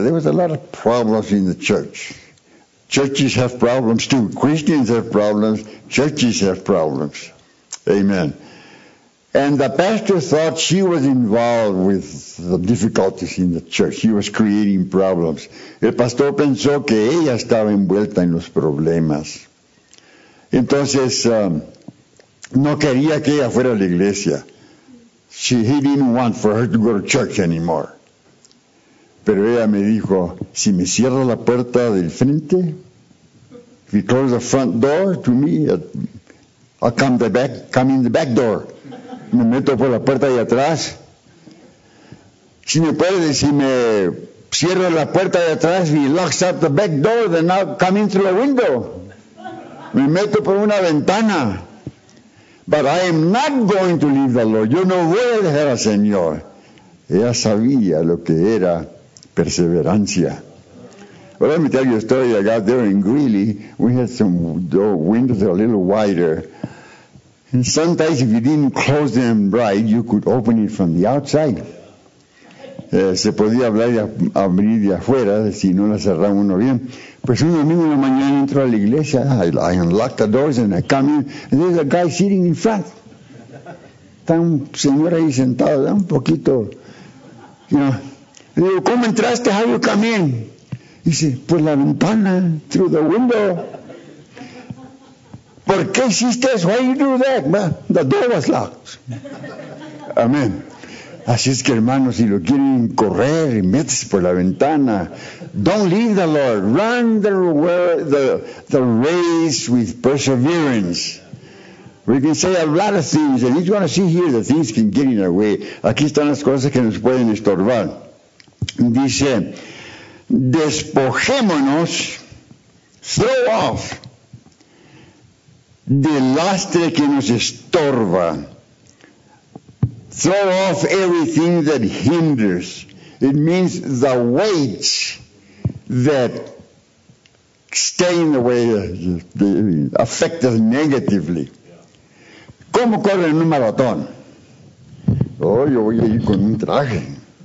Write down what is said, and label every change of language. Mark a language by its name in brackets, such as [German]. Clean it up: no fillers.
[English] There was a lot of problems in the church. Churches have problems too. Christians have problems. Churches have problems. Amen. And the pastor thought she was involved with the difficulties in the church. She was creating problems. [Spanish] El pastor pensó que ella estaba envuelta en los problemas. Entonces, no quería que ella fuera a la iglesia. [English] He didn't want for her to go to church anymore. [Spanish] Pero ella me dijo, si me cierra la puerta del frente, [English] if you close the front door to me, I'll come in the back door. [Spanish] Me meto por la puerta de atrás. Si me puede, si me cierra la puerta de atrás, [English] he locks up the back door, then I'll come in through the window. [Spanish] Me meto por una ventana. [English] But I am not going to leave the Lord. [Spanish] Yo no voy a dejar al Señor. Ella sabía lo que era perseverancia. [English] Well, let me tell you a story. I got there in Greeley. We had some door windows a little wider. And sometimes if you didn't close them right, you could open it from the outside. [Spanish] Se podía hablar y abrir de afuera si no la cerraba uno bien. Pues un domingo en la mañana entro a la iglesia. [English] I unlock the doors and I come in. And there's a guy sitting in front. [Spanish] Está un señor ahí sentado, ¿verdad? Un poquito. [English] You know. [Spanish] Le digo, ¿cómo entraste? [English] How you come in? [Spanish] Dice, pues la ventana, [English] through the window. [Spanish] ¿Por qué hiciste eso? [English] Why you do that? The door was locked. Amén. [Spanish] Así es que, hermanos, si lo quieren correr, métese por la ventana. [English] Don't leave the Lord. Run the race with perseverance. We can say a lot of things, and if you want to see here, the things can get in our way. [Spanish] Aquí están las cosas que nos pueden estorbar. Dice, despojémonos, [English] throw off, [Spanish] del lastre que nos estorba. [English] Throw off everything that hinders. It means the weights that stay in the way, affect us negatively. [Spanish] ¿Cómo corren un maratón? Oh, yo voy a ir con un traje.